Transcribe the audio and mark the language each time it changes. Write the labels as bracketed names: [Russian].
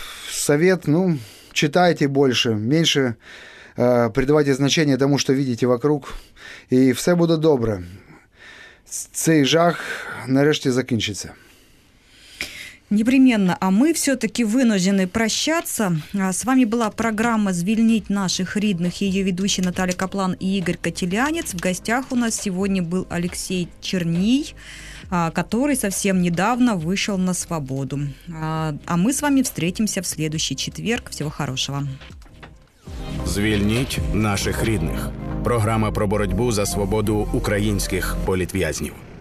[Ukrainian] Совет, ну, читайте більше, менше придавайте значення тому, що [Russian] видите вокруг, [Ukrainian] і все буде добре. Цей жах нарешті закінчиться. [Russian] Непременно. А мы все-таки вынуждены прощаться. С вами была программа «Звільніть наших рідних», ее ведущий Наталья Каплан и Игорь Котелянец. В гостях у нас сегодня был Алексей Черний, который совсем недавно вышел на свободу. А мы с вами встретимся в следующий четверг. Всего хорошего. [Ukrainian] «Звільніть наших рідних» – программа про боротьбу за свободу українських політв'язнів.